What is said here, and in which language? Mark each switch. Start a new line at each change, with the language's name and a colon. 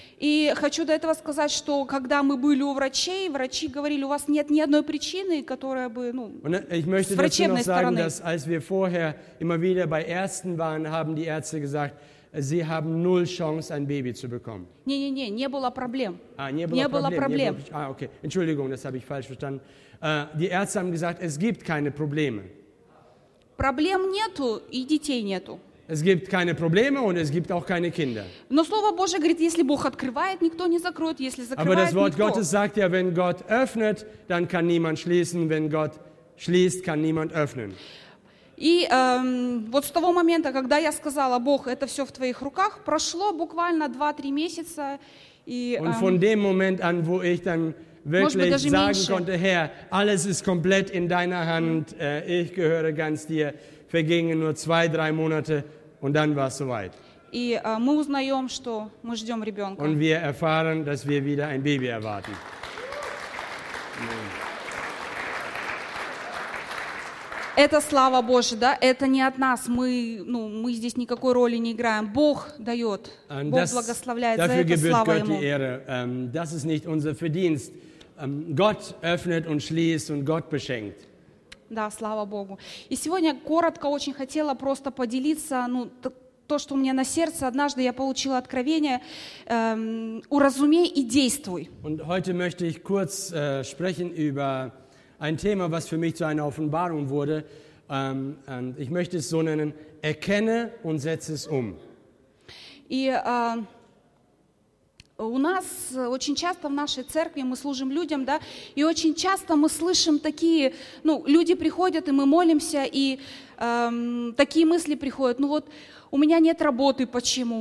Russian: И хочу до этого сказать, что когда мы были у врачей, врачи говорили, у вас нет ни одной причины, которая бы, ну, с врачебной стороны.
German: Ich möchte dazu noch sagen, dass als wir vorher immer wieder bei Ärzten waren, haben die Ärzte gesagt, sie haben null Chance, ein Baby zu bekommen.
Russian: Не-не-не, не было проблем. Не было проблем. Ah, okay.
German: Entschuldigung, das habe ich falsch verstanden. Die Ärzte haben gesagt, es gibt keine Probleme.
Russian: Проблем нету и детей нету.
German: Es gibt keine Probleme und es gibt auch keine Kinder.
Russian: Но Слово Божие говорит, если Бог открывает, никто не закроет, если закрывает,
German: Aber das Wort
Russian: никто.
German: Gottes sagt ja, wenn Gott öffnet, dann kann niemand schließen, wenn Gott schließt, kann niemand öffnen.
Russian: И вот с того момента, когда я сказала, Бог, это все в твоих руках, прошло буквально 2-3 месяца. И,
German: und von dem Moment an, wo ich dann wirklich sagen konnte, Herr, alles ist komplett in deiner Hand, ich gehöre ganz dir, vergingen nur 2-3 Monate und dann war es soweit. Und wir erfahren, dass wir wieder ein Baby erwarten.
Russian: Это слава Божия, да? Это не от нас. Мы, ну, мы здесь никакой роли не играем. Бог дает. Бог благословляет. За это слава Ему.
German: Dafür gebührt Gott die Ehre. Das ist nicht unser Verdienst. Gott öffnet und schließt und Gott beschenkt.
Russian: Да, слава Богу. И сегодня коротко очень хотела просто поделиться, ну, то, что у меня на сердце. Однажды я получила откровение. Уразумей и действуй.
German: Und heute möchte ich kurz sprechen über ein Thema, was für mich zu einer Offenbarung wurde. Ich möchte es so nennen, erkenne und setze es um.
Russian: И у нас очень часто в нашей церкви мы служим людям, да, и очень часто мы слышим такие, ну, люди приходят, и мы молимся, и такие мысли приходят, ну вот, у меня нет работы, почему?